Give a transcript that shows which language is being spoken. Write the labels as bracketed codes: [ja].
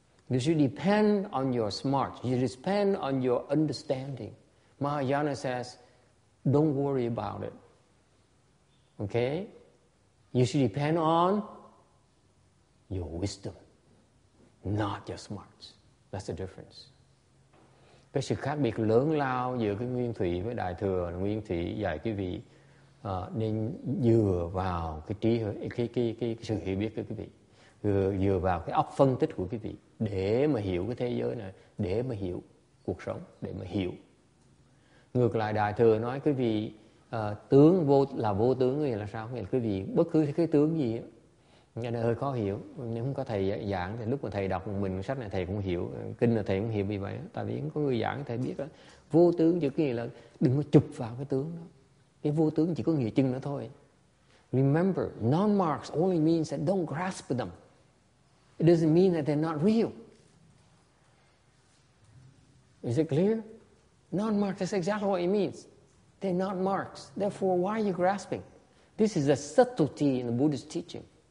[en] You should depend on your smart. You should depend on your understanding. Mahayana says, don't worry about it. Okay? You should depend on your wisdom, not your smarts. That's the difference. [vi] Cái sự khác biệt lớn lao giữa cái nguyên thủy với đại thừa, nguyên thủy dạy quý vị nên dựa vào cái trí, cái sự hiểu biết của quý vị, dựa vào cái óc phân tích của quý vị để mà hiểu cái thế giới này, để mà hiểu cuộc sống, để mà hiểu. Ngược lại đại thừa nói quý vị tướng vô là vô tướng, nghĩa là sao? Nghĩa là quý vị bất cứ cái tướng gì nghe này hơi khó hiểu, nếu không có thầy giảng thì lúc mà thầy đọc mình sách này thầy cũng hiểu, kinh là thầy cũng hiểu, vì vậy tại vì có người giảng thầy biết đó. Vô tướng chỉ có nghĩa là đừng có chụp vào cái tướng đó, cái vô tướng chỉ có nghĩa chừng đó thôi. [en] Remember, non-marks only means that don't grasp them. It doesn't mean that they're not real. Is it clear? Non-marks is exactly what it means. They're not marks. Therefore, why are you grasping? This is a subtlety in the Buddhist teaching.